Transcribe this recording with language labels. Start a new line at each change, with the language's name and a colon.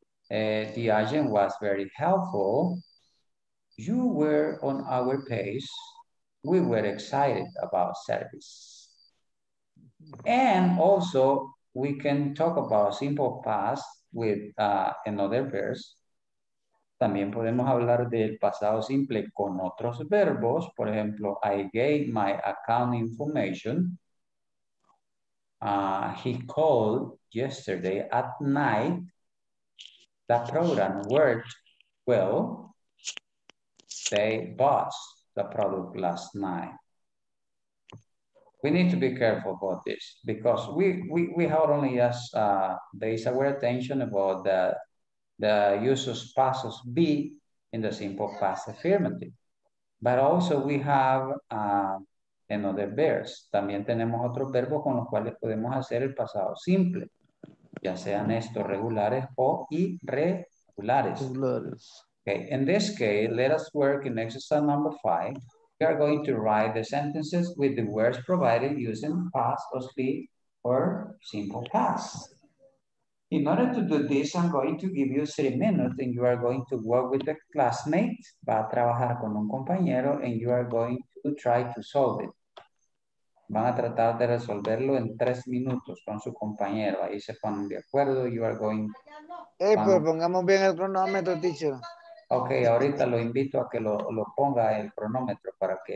English: The agent was very helpful. You were on our pace. We were excited about service. And also, we can talk about simple past with another verb.
Spanish: También podemos hablar del pasado simple con otros verbos. Por ejemplo,
English: I gave my account information. He called yesterday at night. The program worked well. They bought the product last night. We need to be careful about this because we have only just there is our attention about the use of passes be in the simple past affirmative, but also we have another verbs.
Spanish: También tenemos otros verbos con los cuales podemos hacer el pasado simple, ya sean estos regulares o irregulares.
English: Okay, in this case, let us work in exercise number 5. We are going to write the sentences with the words provided using past or speak or simple past. In order to do this, I'm going to give you 3 minutes and you are going to work with a classmate,
Spanish: va a trabajar con un compañero,
English: and you are going to try to solve it.
Spanish: Van a tratar de resolverlo en 3 minutos con su compañero. Ahí se ponen de acuerdo.
English: You are going.
Spanish: Hey, pues pongamos bien el cronómetro, teacher. Ok, ahorita lo invito a que lo ponga el cronómetro para que...